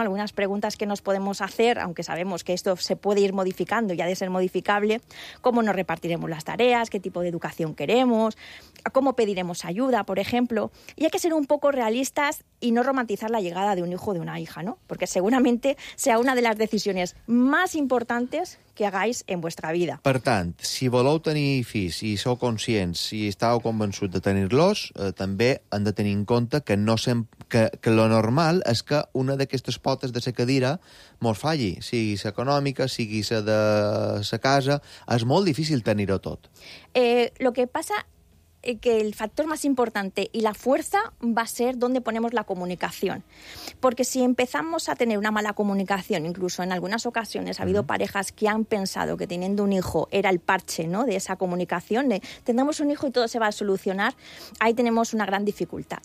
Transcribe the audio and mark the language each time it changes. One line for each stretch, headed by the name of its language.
Spanish: Algunas preguntas que nos podemos hacer, aunque sabemos que esto se puede ir modificando y ha de ser modificable, cómo nos repartiremos las tareas, qué tipo de educación queremos, cómo pediremos ayuda, por ejemplo. Y hay que ser un poco realistas y no romantizar la llegada de un hijo o de una hija, ¿no? Porque seguramente sea una de las decisiones más importantes que hagáis en vuestra vida.
Catalan: Per tant, si voleu tenir fills i sou conscients i estàveu convençuts de tenir-los, també hem de tenir en compte que no que lo normal és que una d'aquestes potes de la cadira mos falli, sigui la econòmica, sigui la de la casa, és molt difícil tenir-ho tot.
Spanish: Lo que pasa que el factor más importante y la fuerza va a ser dónde ponemos la comunicación. Porque si empezamos a tener una mala comunicación, incluso en algunas ocasiones ha habido parejas que han pensado que teniendo un hijo era el parche, ¿no?, de esa comunicación, de tendremos un hijo y todo se va a solucionar, ahí tenemos una gran dificultad.